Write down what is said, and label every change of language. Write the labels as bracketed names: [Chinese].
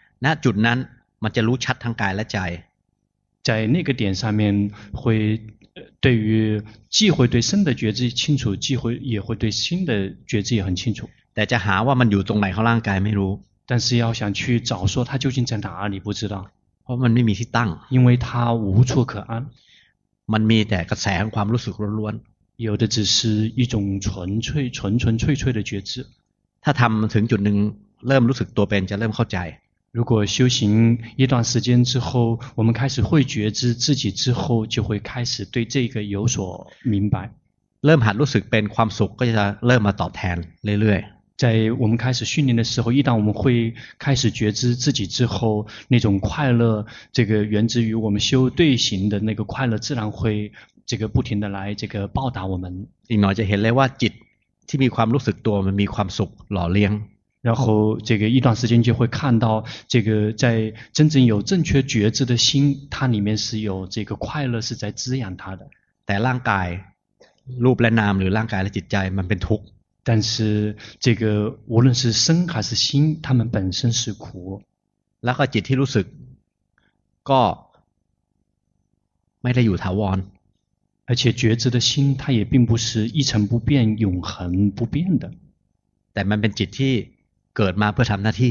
[Thai] ณจุดนั้นมันจะรู้ชัดทั้งกายและใจ [Chinese] 在那个点上面会对于既会对身的觉知清楚既会也会对心的觉知也很清楚 [Thai] แต่จะหาว่ามันอยู่ตรงไหนของร่างกายไม่รู้ [Chinese] 但是要想去找说它究竟在哪里不知道 [Thai] เพราะมันไม่มีที่ตั้ง [Chinese] 因为它无处可安 [Thai] มันมีแต่กระแสของความรู้สึกล้วน [Chinese] ๆ有的只是一种纯粹纯纯粹粹的觉知 [Thai] ถ้าทำถึงจุดหนึ่งเริ่มรู้สึกตัวเป็นจะเริ่มเข้าใจ [Chinese] 如果修行一段时间之后我们开始会觉知自己之后就会开始对这个有所明白 [Thai] เริ่มหัดรู้สึกเป็นความสุขก็จะเริ่มมาตอบแทนเรื่อย [Chinese] ๆ在我们开始训练的时候一旦我们会开始觉知自己之后那种快乐这个源自于我们修对行的那个快乐自然会这个不停的来这个报答我们 [Thai] อีกหน่อยจะเห็นเลยว่าจิตที่มีความรู้สึกตัวมันมีความสุขหล่อเลี้ยง [Chinese] 然后这个一段时间就会看到这个在真正有正确觉知的心它里面是有这个快乐是在滋养它的 [Thai] แต่ร่างกายรูปและนามหรือร่างกายและจิตใจมันเป็นทุกข์ [Chinese] 但是这个无论是身还是心它们本身是苦 [Thai] แล้วก็จิตที่รู้สึกก็ไม่ได้อยู่ถาวร [Chinese] 而且觉知的心它也并不是一成不变永恒不变的 [Thai] แต่มันเป็นจิตที่เกิดมาเพื่อทำหน้าที